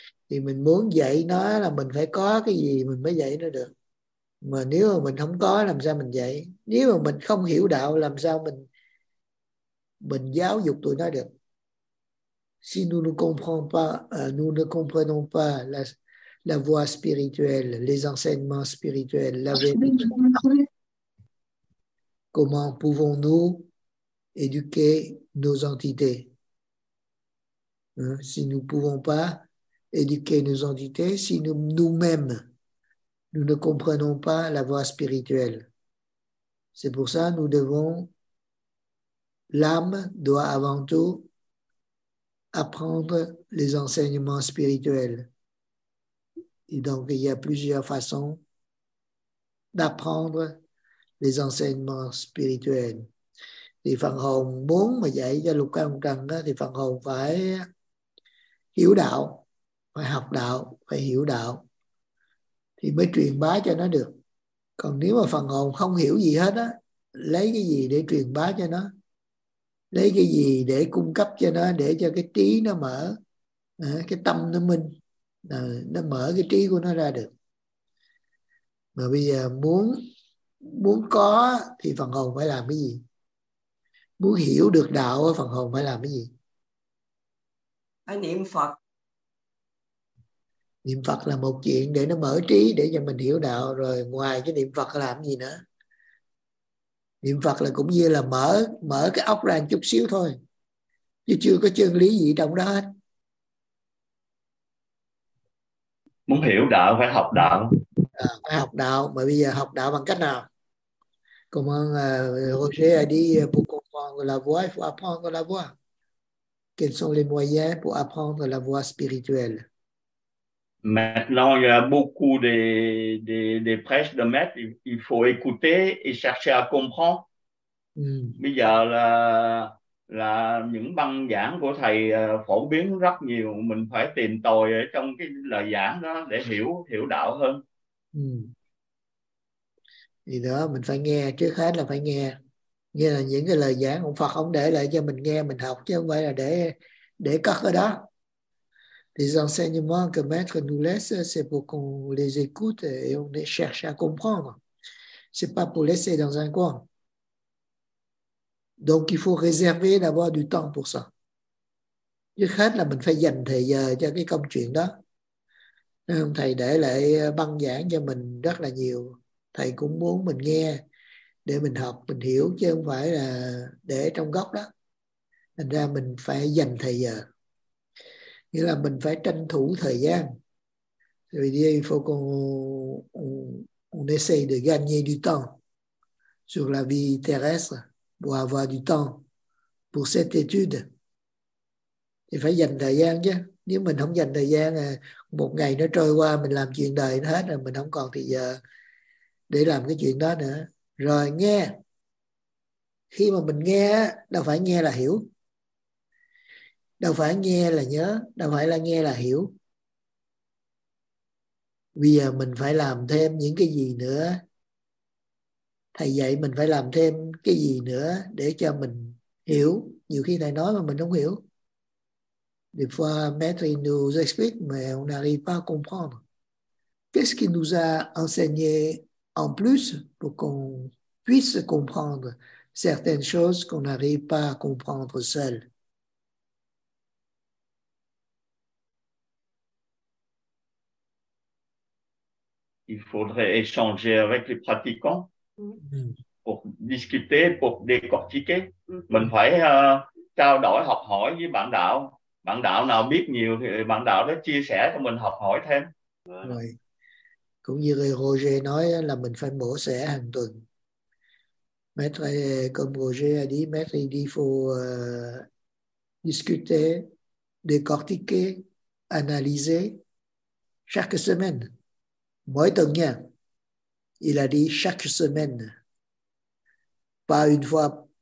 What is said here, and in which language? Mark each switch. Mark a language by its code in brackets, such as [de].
[vi] Thì mình muốn dạy nó là mình phải có cái gì mình mới dạy nó được. Mà nếu mà mình không có làm sao mình dạy? Nếu mà mình không hiểu đạo làm sao mình giáo dục tụi nó được? [fr] Si nous ne comprenons pas, la, la voie spirituelle, les enseignements spirituels, la vérité, comment pouvons-nous éduquer nos entités? Hein? Si nous ne pouvons pas éduquer nos entités, si nous, nous-mêmes, nous ne comprenons pas la voie spirituelle. C'est pour ça que nous devons, l'âme doit avant tout apprendre les enseignements spirituels. Et donc, il y a plusieurs façons d'apprendre les enseignements spirituels. [vi] Thì phần hồn muốn mà dạy cho lục căn lục trần đó, thì phần hồn phải hiểu đạo, phải học đạo, phải hiểu đạo thì mới truyền bá cho nó được. Còn nếu mà phần hồn không hiểu gì hết á, lấy cái gì để truyền bá cho nó, lấy cái gì để cung cấp cho nó, để cho cái trí nó mở, cái tâm nó minh, nó mở cái trí của nó ra được. Mà bây giờ muốn có thì phần hồn phải làm cái gì? Muốn hiểu được đạo phần hồn phải làm cái gì? Phải niệm Phật. Niệm Phật là một chuyện để nó mở trí, để cho mình hiểu đạo. Rồi ngoài cái niệm Phật làm gì nữa? Niệm Phật là cũng như là mở cái óc ra chút xíu thôi. Chứ chưa có chân lý gì trong đó hết. Muốn hiểu đạo phải học đạo. Phải học đạo. Mà bây giờ học đạo bằng cách nào? [fr] Comment José a dit pour comprendre la voie, il faut apprendre la voie. Quels sont les moyens pour apprendre la voie spirituelle? Maintenant, il y a beaucoup de prêches de maîtres. Il faut écouter et chercher à comprendre. [vi] Bây giờ là những băng giảng của thầy phổ biến rất nhiều. Mình phải tìm tòi ở trong cái lời giảng đó để hiểu đạo hơn. Thì đó, mình phải nghe, trước hết là phải nghe. Nghe là những cái lời giảng của Phật không để lại cho mình nghe, mình học, chứ không phải là để cất ở đó. [fr] Les enseignements que Maître nous laisse, c'est pour qu'on les écoute et on les cherche à comprendre. C'est pas pour laisser dans un coin. Donc, il faut réserver d'avoir du temps pour ça. [vi] Trước hết là mình phải dành thời giờ cho cái công chuyện đó. Thầy để lại băng giảng cho mình rất là nhiều. Thầy cũng muốn mình nghe để mình học, mình hiểu, chứ không phải là để trong góc đó. Thành ra mình phải dành thời giờ. Nghĩa là mình phải tranh thủ thời gian. Vì đi, [fr] il faut qu'on essaye de gagner du temps sur la vie terrestre pour avoir du temps pour cette étude. [vi] Thì phải dành thời gian chứ. Nếu mình không dành thời gian, một ngày nó trôi qua, mình làm chuyện đời nó hết rồi, mình không còn thời giờ để làm cái chuyện đó nữa. Rồi nghe. Khi mà mình nghe, đâu phải nghe là hiểu. Đâu phải nghe là nhớ. Đâu phải là nghe là hiểu. Bây giờ mình phải làm thêm những cái gì nữa. Thầy dạy mình phải làm thêm cái gì nữa để cho mình hiểu. Nhiều khi thầy nói mà mình không hiểu. [fr] Des fois, Maître nous explique, mais on n'arrive pas à comprendre. Qu'est-ce qu'il nous a enseigné en plus pour qu'on puisse comprendre certaines choses qu'on n'arrive pas à comprendre seul. Il faudrait échanger avec les pratiquants pour discuter, pour décortiquer. [vi] Mình phải trao đổi, học hỏi với bạn đạo. Bạn đạo nào biết nhiều thì bạn đạo đó chia sẻ cho mình học hỏi thêm. Cũng như Roger nói là mình phải mổ xẻ hàng tuần. [fr] Maître, comme Roger a dit, Maître, il dit, faut discuter, décortiquer, analyser chaque semaine. [vi] Mỗi tuần nha. [fr] Il a dit chaque semaine. Pas une fois